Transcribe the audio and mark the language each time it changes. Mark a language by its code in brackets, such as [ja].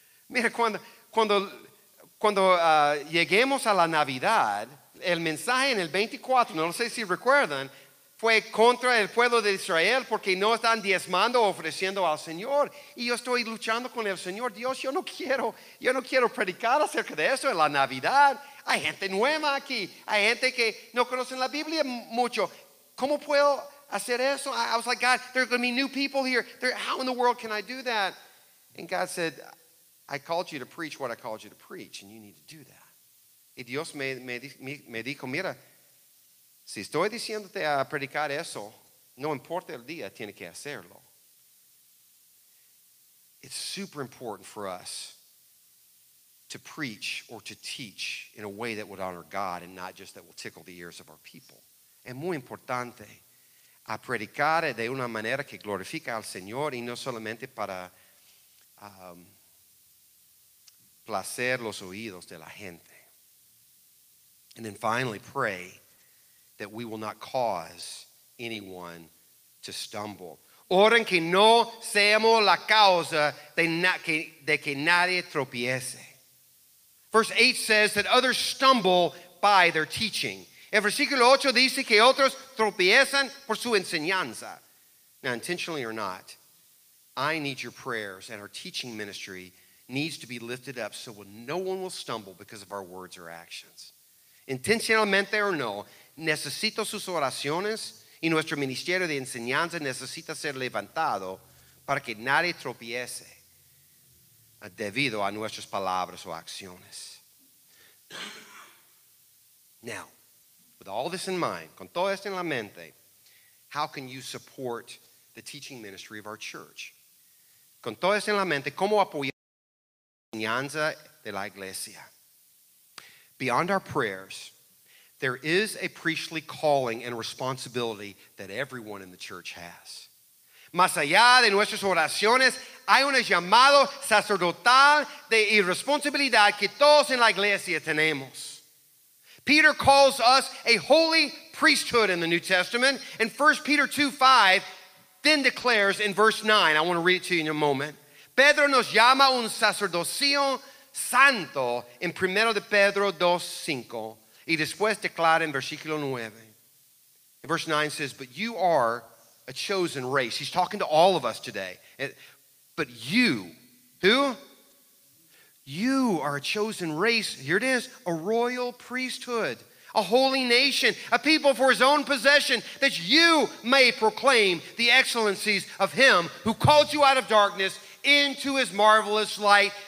[es] Mira, cuando lleguemos a la Navidad, el mensaje en el 24, no sé si recuerdan, fue contra el pueblo de Israel porque no están diezmando, ofreciendo al Señor. Y yo estoy luchando con el Señor. Dios, yo no quiero predicar acerca de eso en la Navidad. Hay gente nueva aquí. Hay gente que no conocen la Biblia mucho. ¿Cómo puedo hacer eso? [en] I was like, God, there are going to be new people here. How in the world can I do that? And God said, I called you to preach what I called you to preach, and you need to do that. [es] Y Dios me dijo, mira, si estoy diciéndote a predicar eso, no importa el día, tiene que hacerlo. [en] It's super important for us to preach or to teach in a way that would honor God and not just that will tickle the ears of our people. [es] Es muy importante a predicar de una manera que glorifica al Señor y no solamente para placer los oídos de la gente. [en] And then finally, pray that we will not cause anyone to stumble. [es] Oren que no seamos la causa de que nadie tropiece. [en] Verse 8 says that others stumble by their teaching. [es] El versículo 8 dice que otros tropiezan por su enseñanza. [en] Now, intentionally or not, I need your prayers, and our teaching ministry needs to be lifted up so no one will stumble because of our words or actions. [es] Intencionalmente or no, necesito sus oraciones, y nuestro ministerio de enseñanza necesita ser levantado para que nadie tropiece debido a nuestras palabras o acciones. [en] Now, with all this in mind, [es] con todo esto en la mente, [en] how can you support the teaching ministry of our church? [es] Con todo esto en la mente, ¿cómo apoyar la enseñanza de la iglesia? [en] Beyond our prayers, there is a priestly calling and responsibility that everyone in the church has. [es] Más allá de nuestras oraciones, hay un llamado sacerdotal de responsabilidad que todos en la iglesia tenemos. [en] Peter calls us a holy priesthood in the New Testament, and 1 Peter 2:5 then declares in verse 9, I want to read it to you in a moment. [es] Pedro nos llama un sacerdocio santo en 1 Pedro 2:5, y después declara en versículo 9. [en] Verse 9 says, but you are a chosen race. He's talking to all of us today. But you, who? You are a chosen race. Here it is, a royal priesthood, a holy nation, a people for his own possession, that you may proclaim the excellencies of him who called you out of darkness into his marvelous light.